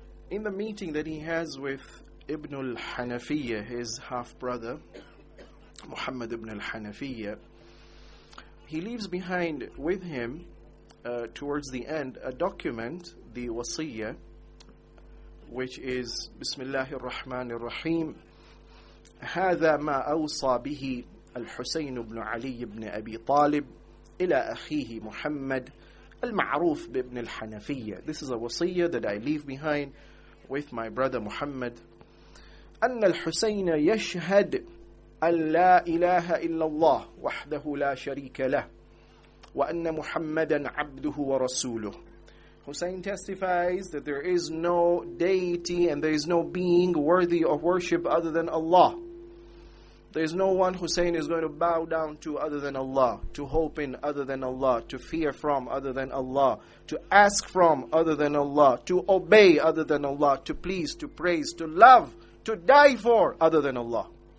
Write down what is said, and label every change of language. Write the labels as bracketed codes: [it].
[en] In the meeting that he has with Ibn al-Hanafiyyah, his half-brother, Muhammad ibn al-Hanafiyyah, he leaves behind with him, towards the end, a document, the wasiyyah, which is Bismillahir Rahmanir Rahim. [ar] هذا ما أوصى به الحسين بن علي بن أبي طالب إلى أخيه محمد المعروف بابن الحنفية. [en] This is a wasiyyah that I leave behind with my brother Muhammad. [ar] أن الحسين يشهد أن لا إله إلا الله وحده لا شريك له وأن محمدا عبده ورسوله. [en] Hussein testifies that there is no deity and there is no being worthy of worship other than Allah. There is no one Hussein is going to bow down to other than Allah, to hope in other than Allah, to fear from other than Allah, to ask from other than Allah, to obey other than Allah, to please, to praise, to love, to die for other than Allah.